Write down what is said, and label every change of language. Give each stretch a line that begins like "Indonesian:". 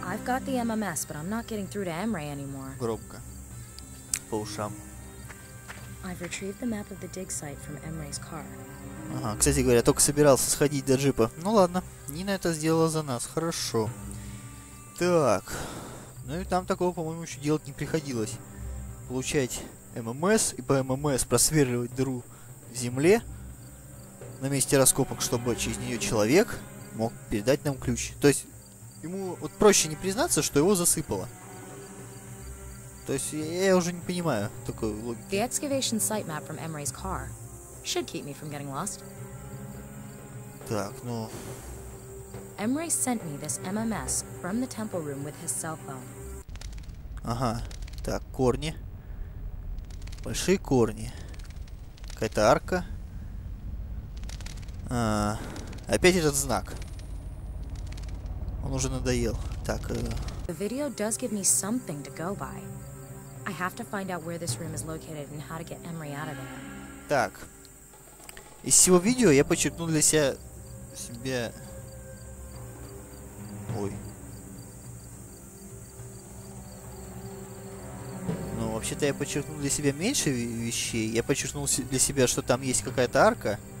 English: I've got the MMS, but I'm not getting through to Эмрей anymore.
Russian: Громко. По ушам.
English: I've retrieved the map of the dig site from Emre's car.
Russian: Ага, кстати говоря, только собирался сходить до джипа. Ну ладно, Нина это сделала за нас, хорошо. Так, ну и там такого, по-моему, еще делать не приходилось. Получать ММС и по ММС просверливать дыру в земле на месте раскопок, чтобы через нее человек мог передать нам ключ. То есть, ему вот проще не признаться, что его засыпало. То есть я уже не понимаю такой логики.
English: The excavation site map from Emre's car should keep me from getting lost.
Russian: Так, ну.
English: Эмрей sent me this MMS from the temple room with his cell phone.
Russian: Ага. Так, корни. Большие корни. Какая-то арка. Опять этот знак. Он уже надоел. Так.
English: The video does give me something to go by. I have to find out where this room is located and how to get Эмрей out of there.
Russian: Так. Из всего видео я подчеркнул для себя... Ой. Ну, вообще-то я подчеркнул для себя меньше вещей. Я подчеркнул для себя, что там есть какая-то арка.